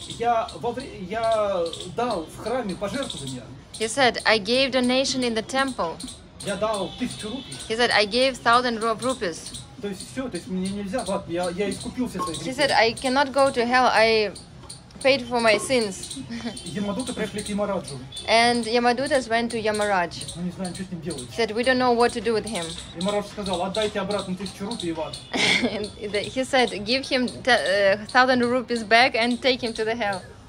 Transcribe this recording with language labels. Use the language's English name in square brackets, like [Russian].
[Russian] Я дал в храме пожертвования. [English] He said, I gave donation in the temple. [Russian] Я дал 1000 рупий. [English] He said, I gave 1000 rupees. [Russian] То есть все, то есть мне нельзя в ад, я искупился своей грехи. [English] He said, I cannot go to hell, I paid for my sins. [Russian] Ямадуты пришли к Ямараджу. [English] And Ямадутас went to Ямарадж. [Russian] Мы не знаем, что с ним делать. [English] He said, we don't know what to do with him. [Russian] Ямарадж сказал, отдайте обратно 1000 рупий в ад. [English] He said, give him 1000 rupees back and take him to the hell.